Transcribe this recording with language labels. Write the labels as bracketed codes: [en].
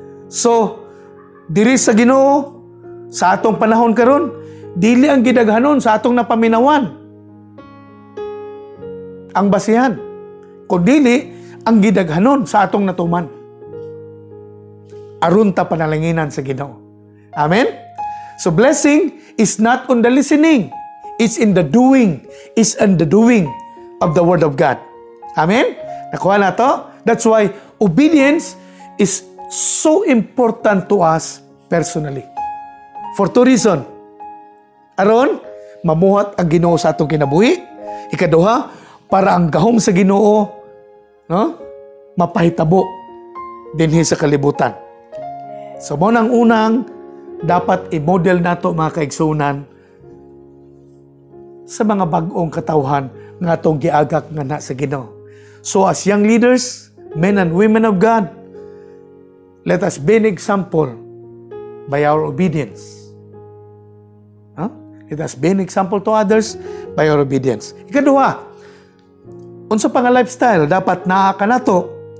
[ceb] So, diri sa Ginoo sa atong panahon karon, dili ang gidaghanon sa atong napaminawan ang basihan, kun dili ang gidaghanon sa atong natuman. Aron ta panalanginan sa Ginoo. Amen? [en] So blessing is not on the listening. It's in the doing. It's in the doing of the Word of God. Amen? [ceb] Nakuha na to? [en] That's why obedience is so important to us personally. For two reasons. [ceb] Aron, mamuhat ang Ginoo sa atong kinabuhi. Ikaduha, para ang gahom sa Ginoo, no? Mapahitabo dinhi sa kalibutan. So, munang unang, dapat i-model nato mga kaigsunan sa mga bag-ong katawhan ng atong giagak nga na sa Ginoo. [en] So, as young leaders, men and women of God, let us be an example by our obedience. It has been example to others by your obedience. [ceb] Ikaduha, unsa pa nga lifestyle dapat naa ka nato?